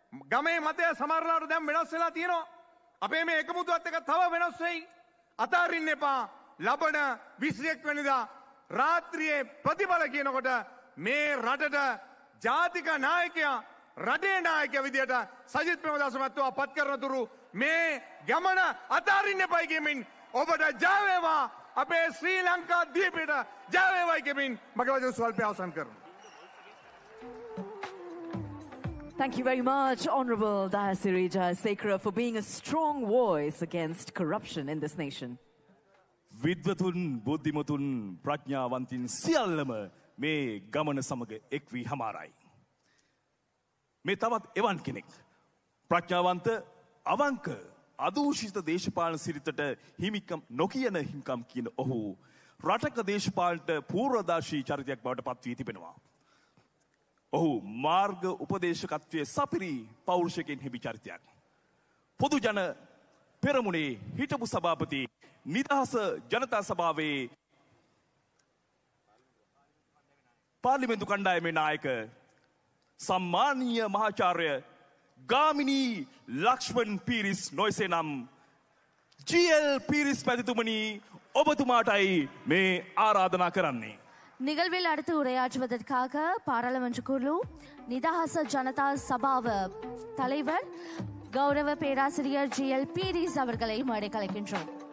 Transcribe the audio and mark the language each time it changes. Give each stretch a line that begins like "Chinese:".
Sinhala: ගමේ මතය සමහරලාට දැන් වෙනස් වෙලා තියෙනවා අපේ මේ එකමුතුවත් එක තව වෙනස් වෙයි අතාරින්න එපා ලබන 21 වෙනිදා රාත්‍රියේ ප්‍රතිබල කියනකොට මේ රටට ජාතික නායකයා රටේ නායකය විදියට සජිත් ප්‍රේමදාස මහත්තයා පත් කරනතුරු මේ ගමන අතාරින්න එපයි කියමින් ඔබට ජය වේවා අපේ ශ්‍රී ලංකා දිවයිනට ජය වේවායි කියමින් මගේ වචන ස්වල්පය අවසන් කරමු.
English: Thank you very much, Honorable Dayasiri Jayasekara, for being a strong voice against corruption in this nation.
Sinhala: විද්වතුන් බුද්ධිමතුන් ප්‍රඥාවන්තින් සියල්ලම මේ ගමන සමග එක් වී හමාරයි. මේ තවත් එවන් කෙනෙක් ප්‍රඥාවන්ත අවංක අදූෂිත දේශපාලන සිරිතට හිමිකම් නොකියන හිංකම් කියන ඔහු රටක දේශපාලනට පූර්වදාශී චරිතයක් බවට පත් වී තිබෙනවා. ඔහු මාර්ග උපදේශකත්වයේ සපිරි පෞරුෂයකින් හිමි චරිතයක්. පොදු ජන පෙරමුණේ හිටපු සභාපති නිදහස ජනතා සභාවේ පාර්ලිමේන්තු කණ්ඩායමේ නායක සම්මානීය මහාචාර්ය ගාමිණී ලක්ෂ්මන් පීරිස් නොයසේ නම් ජීඑල් පීරිස් පැතිතුමනි ඔබතුමාටයි මේ ආරාධනා කරන්නේ.
Tamil: நிகழ்வில் அடுத்து உரையாற்றுவதற்காக பாராளுமன்ற குழு நிதாஹச ஜனதா சபாவ தலைவர் கௌரவ பேராசிரியர் ஜி எல் பீரிஸ் அவர்களை மேடை கலைக்கின்றோம்.